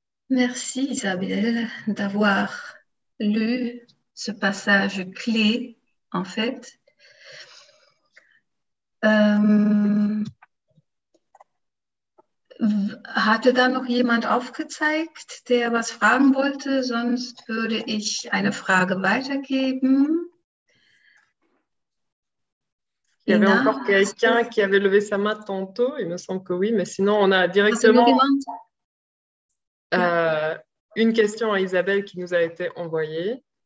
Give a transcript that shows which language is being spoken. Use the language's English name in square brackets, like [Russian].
[French] Merci Isabelle d'avoir lu ce passage clé, en fait. [German] Hatte da noch jemand aufgezeigt, der was fragen wollte? Sonst würde ich eine Frage weitergeben. [French] Il y avait encore quelqu'un qui avait levé sa main tantôt, il me semble que oui, mais sinon on a directement... une question à Isabelle qui nous a été envoyée.